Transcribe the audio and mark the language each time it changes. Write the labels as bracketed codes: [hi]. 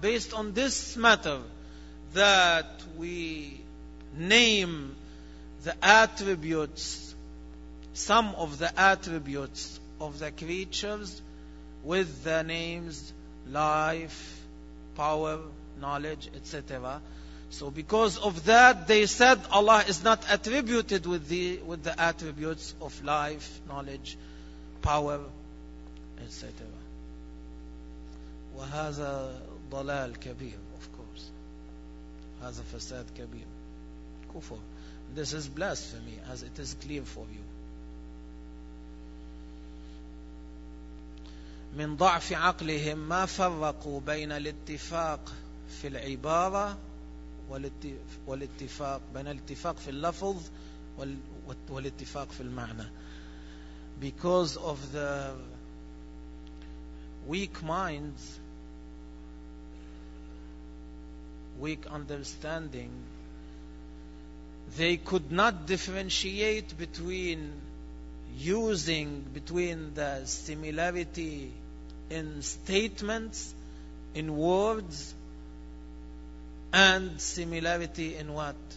[en] Based on this matter that we name the attributes, some of the attributes of the creatures with the names life, power, knowledge, etc. So because of that, they said Allah is not attributed with the attributes of life, knowledge, power, etc. [ar] وهذا ضلال كبير, [en] of course. [ar] هذا فساد كبير. كفر. [en] This is blasphemy, as it is clear for you. [ar] من ضعف عقلهم ما فرقوا بين الاتفاق في العبارة والاتفاق بين الاتفاق في اللفظ والاتفاق في المعنى. [en] Because of the weak minds, weak understanding, they could not differentiate between using, between the similarity in statements, in words, and similarity in what?